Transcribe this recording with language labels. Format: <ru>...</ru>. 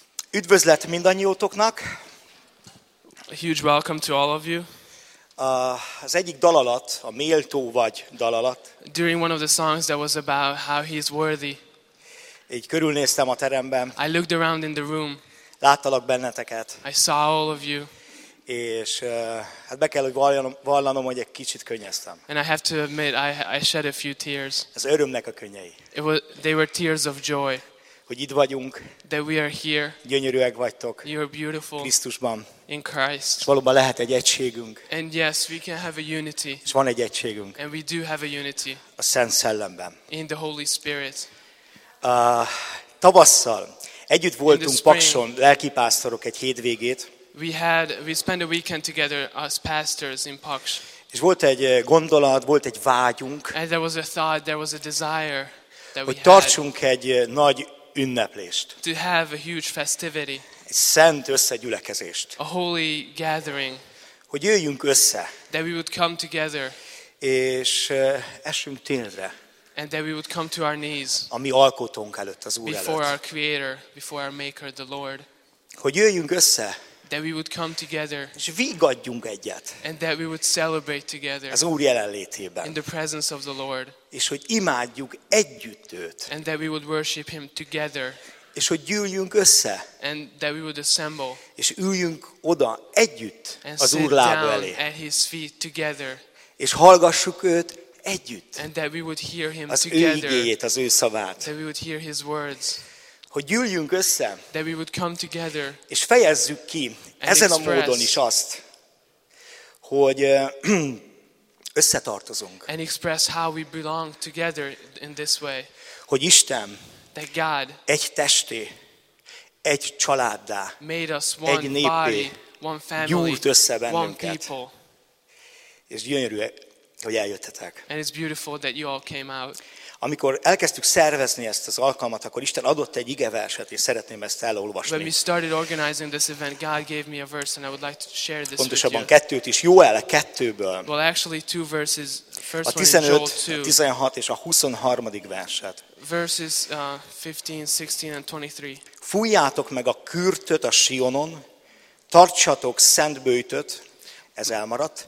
<hu>Üdvözlet mindannyiótoknak.</hu> <en>Huge welcome to all of you.</en> <hu>Az egyik dalalat, a méltó vagy dalalat.</hu> <en>During one of the songs that was about how he is worthy.</en> <hu>Így körülnéztem a teremben.</hu> <en>I looked around in the room.</en> <hu>Láttalak benneteket.</hu> <en>I saw all of you.</en> <hu>És hát be kell, hogy vallanom, hogy egy kicsit könnyeztem.</hu> <en>And I have to admit, I shed a few tears.</en> <hu>Ez örömnek a könnyei.</hu> <en>They were tears of joy.</en> <hu>Hogy itt vagyunk.</hu> <en>That we are here.</en> <hu>Gyönyörűek vagytok.</hu> <en>You are beautiful.</en> <hu>Krisztusban.</hu> <en>In Christ.</en> <hu>És valóban lehet egy egységünk.</hu> <en>And yes, we can have a unity.</en> <hu>És van egy egységünk.</hu> <en>And we do have a unity.</en> <hu>A Szent Szellemben.</hu> <en>In the Holy Spirit.</en> <hu>Tavasszal együtt voltunk Pakson lelkipásztorok egy hétvégét.</hu> <en>We spent a weekend together as pastors in Paks.</en> <hu>És volt egy gondolat, volt egy vágyunk.</hu> <en>And there was a thought, there was a desire that we had.</en> <hu>Tartsunk egy nagy ünneplést.</hu> <en>To have a huge festivity.</en> <hu>Egy szent összegyülekezést.</hu> <en>A holy gathering.</en> <hu>Hogy jöjjünk össze.</hu> <en>That we would come together.</en> <hu>És esünk térdre.</hu> <en>And that we would come to our knees.</en> <hu>A mi alkotónk előtt, az Úr előtt.</hu> <en>Before our creator, before our maker, the Lord.</en> <hu>Hogy jöjjünk össze.</hu> <en>That we would come together.</en> <hu>És vígadjunk egyet.</hu> <en>And that we would celebrate together.</en> <hu>Az Úr jelenlétében.</hu> <en>In the presence of the Lord.</en> <hu>És hogy imádjuk együtt őt.</hu> <en>And that we would worship him together.</en> <hu>És hogy gyűljünk össze.</hu> <en>And that we would assemble.</en> <hu>És üljünk oda együtt az Úr lába elé.</hu> <en>At his feet together.</en> <hu>És hallgassuk őt együtt.</hu> <en>And that we would hear him</en> <hu>az</hu> <en>together.</en> <hu>Az ő igéjét, az ő szavát.</hu> <en>That we would hear his words.</en> <hu>Hogy gyűljünk össze,</hu> <en>that we would come together,</en> <hu>és fejezzük ki ezen a módon is azt, hogy összetartozunk.</hu> <en>And express how we belong together in this way.</en> <hu>Hogy Isten</hu> <en>that God</en> <hu>egy testé, egy családdá,</hu> <en>made us one</en> <hu>egy néppé</hu> <en>body, one family,</en> <hu>gyújt össze bennünket.</hu> <en>One people.</en> <hu>És gyönyörű, hogy eljöttetek.</hu> <en>And it's beautiful that you all came out.</en> <hu>Amikor elkezdtük szervezni ezt az alkalmat, akkor Isten adott egy igeverset, és szeretném ezt elolvasni.</hu> <en>When we started organizing this event, God gave me a verse, and I would like to share this.</en> <hu>Pontosabban kettőt is, Jóel kettőből.</hu> <en>Well, actually two verses. First</en> <hu>a 15, 16 és a 23. verset.</hu> <en>Verses 15, 16 and 23.</en> <hu>Fújjátok meg a kürtöt a Sionon, tartsatok szent böjtöt, ez elmaradt.</hu>